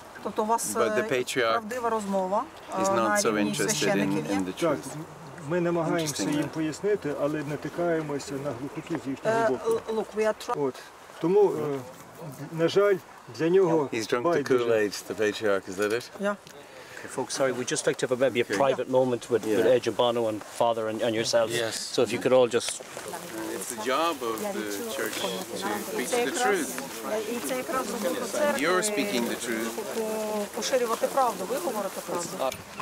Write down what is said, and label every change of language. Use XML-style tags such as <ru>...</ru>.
<uk>Тобто у вас правдива розмова,</uk> <en>is not so interested in the truth.</en> <uk>Ми намагаємося їм пояснити, але натикаємося на глухоту з їхнього боку. Тому на жаль, для нього</uk> <en>he's drunk the Kool-Aid, the patriarch, is that it? Yeah. Okay, folks, sorry, we'd just like to have maybe a private moment with Edge and Bono and Father and yourselves. Yes. So if you could all just... It's the job of the church to preach the truth. Right. You're speaking the truth.</en> <uk>Поширювати правду, ви говорите правду.</uk>